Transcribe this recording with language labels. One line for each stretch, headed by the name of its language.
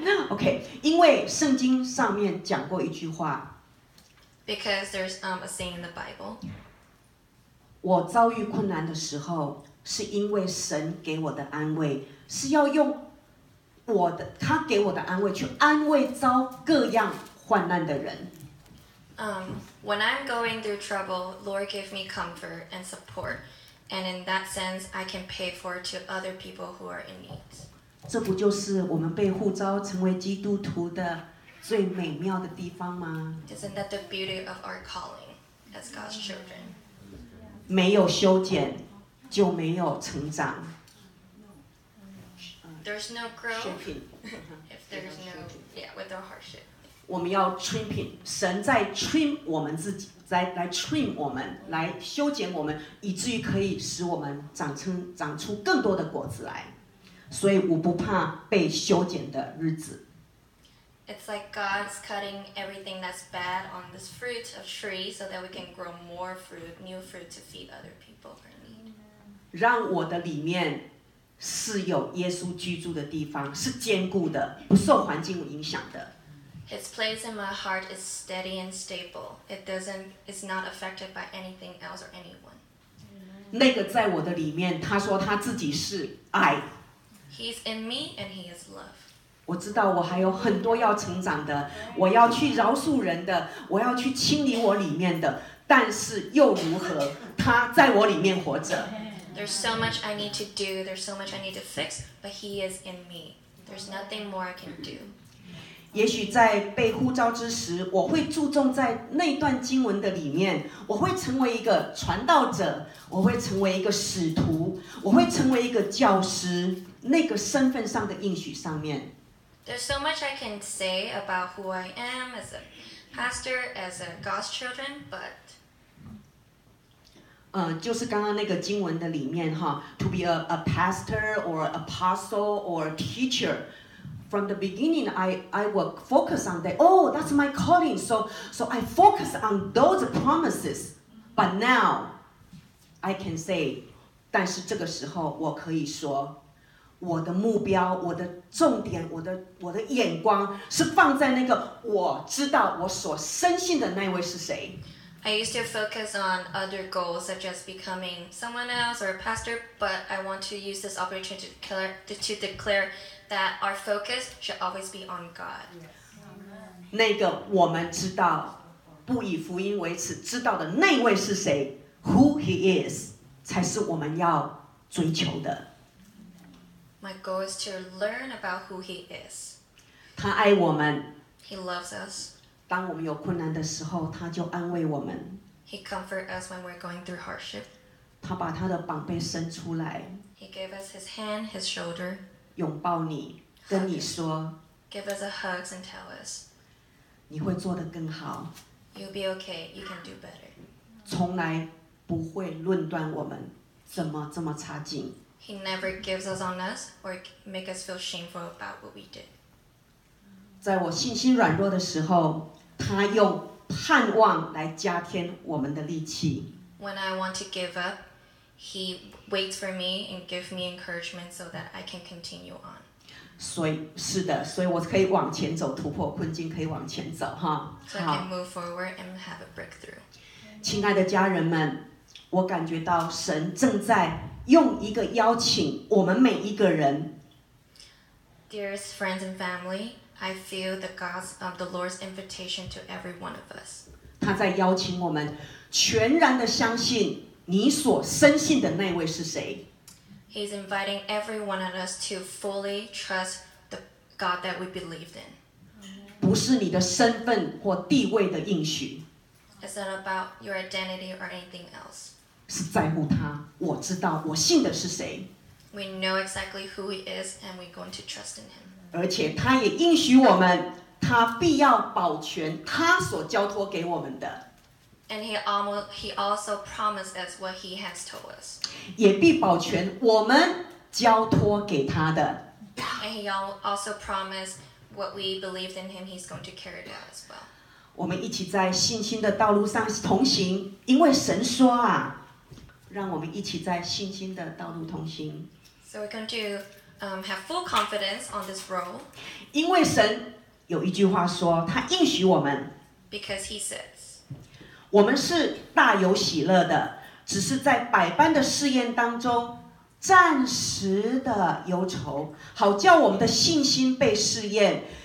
Chinese: OK， 因为圣经上面讲过一句话。
English: Because there's a saying in the Bible.
Chinese: 我遭遇困难的时候，是因为神给我的安慰，是要用。他给我的安慰，去安慰遭各样患难的人。
English: When I'm going through trouble, Lord gave me comfort and support. And in that sense, I can pay for to other people who are in need.
Chinese: 这不就是我们被呼召成为基督徒的最美妙的地方吗？
English: Isn't that the beauty of our calling as God's children?
Chinese: 没有修剪就没有成长。
English: There's no growth if there's no, yeah, with our hardship.
Chinese: 我们要 trimping, 神在 trim 我们自己，来 trim 我们，来修剪我们，以至于可以使我们长出更多的果子来。所以我不怕被修剪的日子。
English: It's like God's cutting everything that's bad on this fruit of tree so that we can grow more fruit, new fruit to feed other people who need.
Chinese: 让我的里面是有耶稣居住的地方，是坚固的，不受环境影响的。
English: His place in my heart is steady and stable. It's not affected by anything else or anyone.
Chinese: 那个在我的里面，他说他自己是爱。
English: He's in me and he is love.
Chinese: 我知道我还有很多要成长的，我要去饶恕人的，我要去清理我里面的，但是又如何？他在我里面活着。
English: There's so much I need to do, there's so much I need to fix, but he is in me. There's nothing more I can do.
Chinese: 也许在被呼召之时，我会注重在那段经文的里面，我会成为一个传道者，我会成为一个使徒，我会成为一个教师，那个身份上的应许上面。
English: There's so much I can say about who I am as a pastor, as a God's children, but...
Chinese: 就是刚刚那个经文的里面哈 ，
English: to be a pastor or apostle or teacher. From the beginning, I will focus on that. Oh, that's my calling. So I focus on those promises. But now, I can say,
Chinese: 但是这个时候我可以说，我的目标、我的重点、我的眼光是放在那个我知道我所深信的那位是谁。
English: I used to focus on other goals, such as becoming someone else or a pastor, but I want to use this opportunity to declare that our focus should always be on God. Yes.
Chinese: Amen. 那个我们知道，不以福音为耻，知道的那位是谁 ？
English: Who he is，
Chinese: 才是我们要追求的。
English: My goal is to learn about who he is.
Chinese: 他爱我们。
English: He loves us.
Chinese: 当我们有困难的时候，他就安慰我们。
English: He comforts us when we're going through hardship.
Chinese: 他把他的膀臂伸出来。
English: He gave us his hand, his shoulder.
Chinese: 拥抱你，跟你说。
English: Give us a hug and tell us.
Chinese: 你会做得更好。
English: You'll be okay. You can do better.
Chinese: 从来不会论断我们怎么这么差劲。
English: He never gives us on us or make us feel shameful about what we did.
Chinese: 在我信心软弱的时候，他用盼望来加添我们的力气。
English: When I want to give up, he waits for me and give me encouragement so that I can continue on.
Chinese: 所以是的，所以我可以往前走，突破困境，可以往前走，哈。
English: So I can move forward and have a breakthrough.
Chinese: 亲爱的家人们，我感觉到神正在用一个邀请我们每一个人。
English: Dearest friends and family. I feel the Lord's invitation to every one of us.
Chinese: 他在邀请我们全然的相信你所深信的那位是谁。
English: He's inviting every one of us to fully trust the God that we believed in.
Chinese: 不是你的身份或地位的应许。
English: It's not about your identity or anything else.
Chinese: 是在乎他，我知道我信的是谁。
English: We know exactly who he is and we're going to trust in him.
Chinese: 而且他也应许我们，他必要保全他所交托给我们的。
English: And he also promised us what he has told us.
Chinese: 也必保全我们交托给他的。
English: And he also promised what we believed in him, he's going to carry it out as well.
Chinese: 我们一起在信心的道路上同行，因为神说啊，让我们一起在信心的道路同行。
English: So we're going to. Have full confidence on this role.
Chinese: 因为神有一句话说，他应许我们。
English: Because he says,
Chinese: 我们是大有喜乐的，只是在百般的试验当中，暂时的忧愁，好叫我们的信心被试验，